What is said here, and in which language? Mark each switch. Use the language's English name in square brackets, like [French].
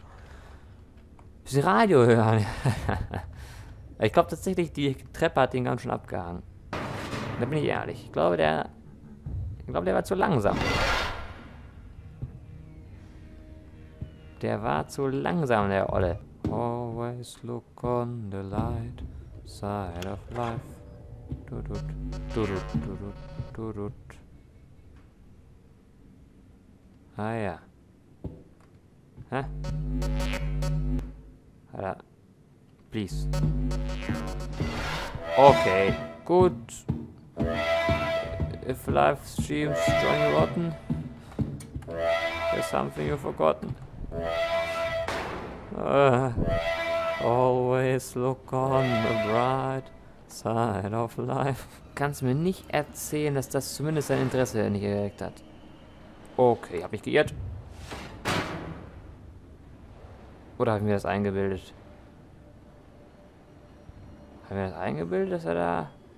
[German] Ein bisschen Radio hören. Ich glaube tatsächlich, die Treppe hat den ganz schön abgehangen. Da bin ich ehrlich. Ich glaube, der war zu langsam. Der war zu langsam, der Olle. [English] Always look on the light side of life. Du, du, du, du, du, du. [German] Ah ja. Hä? Alter. Please. Okay, gut. [English] If life seems Johnny Rotten, there's something you've forgotten. Always look on the bright side of life. [German] Kannst mir nicht erzählen, dass das zumindest sein Interesse nicht geweckt hat. Okay, hab mich geirrt. Oder hab ich mir das eingebildet? Hab ich mir das eingebildet, dass er da.